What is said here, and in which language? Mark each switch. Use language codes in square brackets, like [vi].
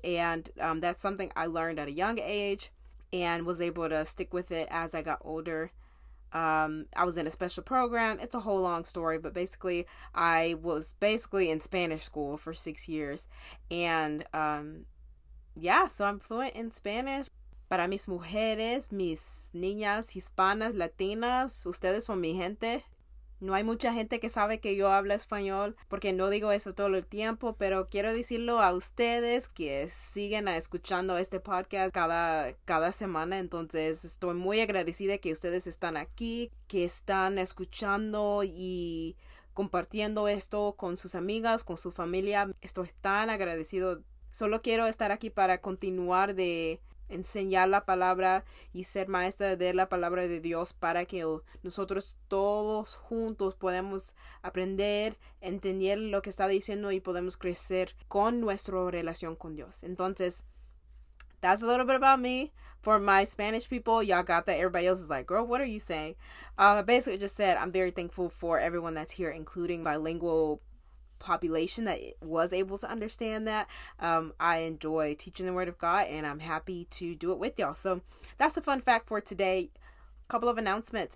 [en] And that's something I learned at a young age and was able to stick with it as I got older. I was in a special program. It's a whole long story, but basically I was basically in Spanish school for 6 years and, so I'm fluent in Spanish. [es] Para mis mujeres, mis niñas, hispanas, latinas, ustedes son mi gente. No hay mucha gente que sabe que yo hablo español porque no digo eso todo el tiempo, pero quiero decirlo a ustedes que siguen escuchando este podcast cada semana. Entonces estoy muy agradecida que ustedes están aquí, que están escuchando y compartiendo esto con sus amigas, con su familia. Estoy tan agradecido. Solo quiero estar aquí para continuar de enseñar la palabra y ser maestra de la palabra de Dios para que nosotros todos juntos podamos aprender, entender lo que está diciendo y podemos crecer con nuestra relación con Dios. Entonces, [en] that's a little bit about me. For my Spanish people, y'all got that. Everybody else is like, girl, what are you saying? I basically just said I'm very thankful for everyone that's here, including bilingual population that was able to understand that. I enjoy teaching the Word of God and I'm happy to do it with y'all. So that's the fun fact for today. Couple of announcements.